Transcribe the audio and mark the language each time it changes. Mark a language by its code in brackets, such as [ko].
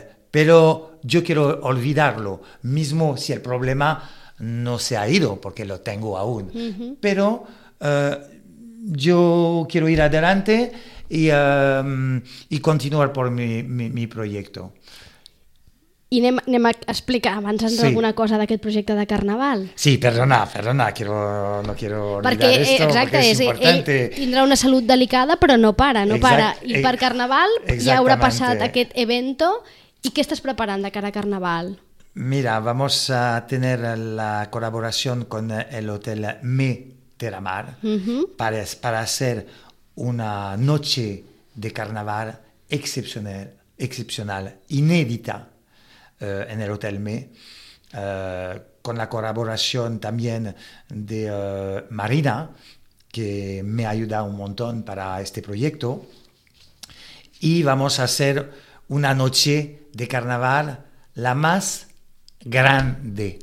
[es] Pero yo quiero olvidarlo, mismo si el problema no se ha ido, porque lo tengo aún. Uh-huh. Pero yo quiero ir adelante y continuar por mi proyecto. [ca] I anem a explicar abans sí. Alguna cosa d'aquest projecte de Carnaval. [es] Sí, perdona, no quiero olvidar perquè, esto, [ca] exacte, [es] porque es importante. [ca] Ell tindrà una salut delicada, però no para, no exact, para. I per Carnaval ja haurà passat aquest evento. I què estàs preparant de cara a Carnaval? [es] Mira, vamos a tener la colaboración con el Hotel Me Terramar, uh-huh, para hacer una noche de Carnaval excepcional, inédita, en el Hotel Me, con la colaboración también de Marina, que me ayuda un montón para este proyecto, y vamos a hacer una noche de Carnaval la más grande.